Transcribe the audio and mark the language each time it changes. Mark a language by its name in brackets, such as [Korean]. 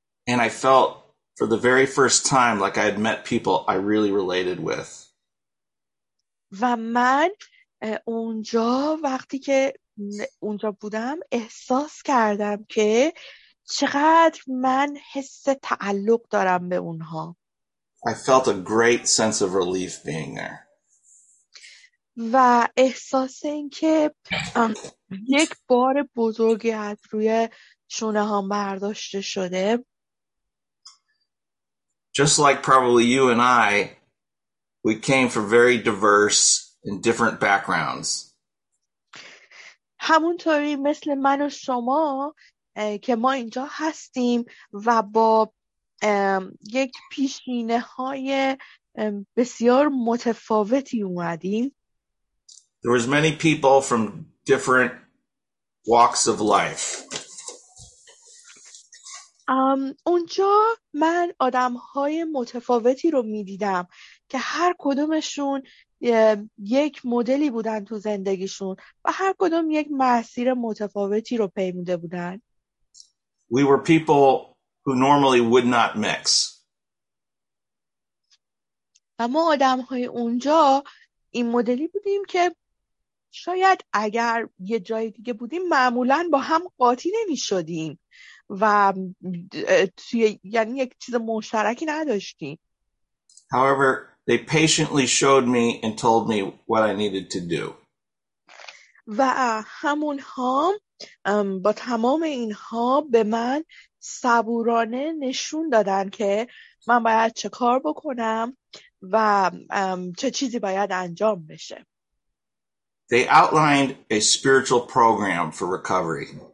[English] And I felt for the very first time like I had met people I really related with. [Persian] و من اونجا وقتی که اونجا بودم احساس کردم که چقدر من حس تعلق دارم به اونها. [English] I felt a great sense of relief being there. [Persian] و احساس این که یک بار بزرگی از روی شونه هم برداشته شده. [English] Just like probably you and I, we came from very diverse in different backgrounds. [Persian] همونطوری مثل من و شما که ما اینجا هستیم و با یک پیشینه های بسیار متفاوتی اومدیم. [English] There was many people from different walks of life. [Persian] اونجا من آدم‌های متفاوتی رو می‌دیدم که هر کدومشون یک مدلی بودن تو زندگیشون و هر کدوم یک مسیر متفاوتی رو پیموده بودن. [English] We were people who normally would not mix. [Persian] و ما آدم‌های اونجا این مدلی بودیم که شاید اگر یه جای دیگه بودیم معمولاً با هم قاطی نمی‌شدیم و توی یعنی یک چیز مشترکی نداشتیم. [English] However, they patiently showed me and told me what I needed to do. [Persian] و همون ها با تمام اینها به من صبورانه نشون دادن که من باید چه کار بکنم و چه چیزی باید انجام بشه. [English] They outlined a spiritual program for recovery.